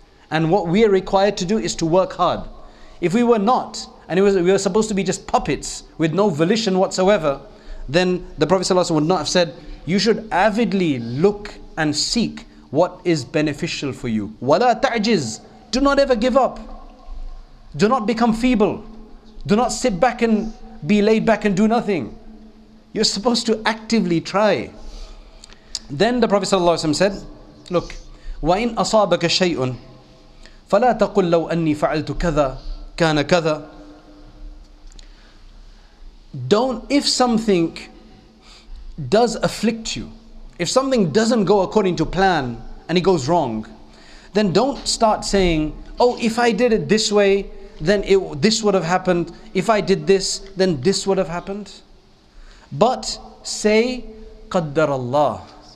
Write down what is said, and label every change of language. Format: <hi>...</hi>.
<en>And what we are required to do is to work hard. If we were not, and we were supposed to be just puppets with no volition whatsoever, then the Prophet ﷺ would not have said, you should avidly look and seek what is beneficial for you.</en> <ar>وَلَا تَعْجِزْ.</ar> <en>Do not ever give up. Do not become feeble. Do not sit back and be laid back and do nothing. You're supposed to actively try. Then the Prophet ﷺ said, look,</en> <ar>وَإِنْ أَصَابَكَ شَيْءٌ فَلَا تَقُلْ لَوْ أَنِّي فَعَلْتُ كَذَا كَانَ كَذَا.</ar> <en>Don't, if something does afflict you, if something doesn't go according to plan and it goes wrong, then don't start saying, oh, if I did it this way, then this would have happened. If I did this, then this would have happened. But say, Qadr Allah.</en>